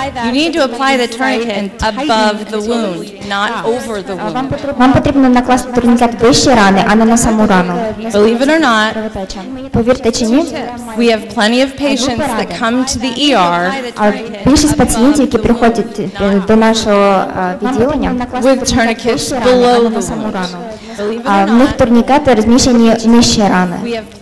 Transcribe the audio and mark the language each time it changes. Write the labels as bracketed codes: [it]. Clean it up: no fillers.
[en] You need to apply the tourniquet above the wound, not over the wound. [uk] Вам потрібно накласти турнікет вище рани, а не на саму рану. [en] Believe it or not, [uk] повірте чи ні, [en] we have plenty of patients that come to the ER. [uk] Більшість пацієнтів, які приходять до нашого відділення, [en] with tourniquets below the wound. [uk] А в них турнікети розміщені нижче рани.